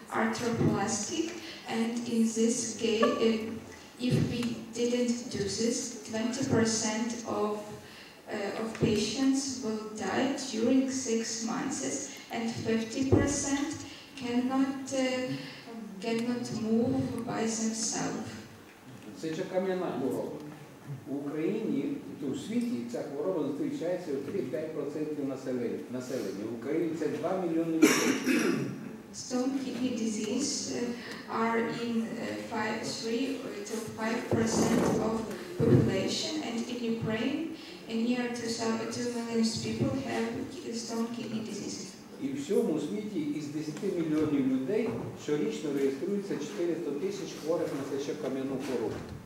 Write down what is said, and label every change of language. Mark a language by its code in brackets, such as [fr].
[en] Arthroplastic. And in this case, if we didn't do this, 20% of patients will die during 6 months, and 50% cannot move by themselves. [uk] Це ж кам'яна хвороба. В Україні та у світі ця хвороба зустрічається у 3-5% населення. В Україні це 2 мільйони людей. [en] Stone kidney disease are in 3-5% of population, and in Ukraine, near 2 million people have stone kidney disease. [uk] І в всьому світі із 10 мільйонів людей щорічно реєструється 400 тисяч хворих на сечокам'яну хворобу.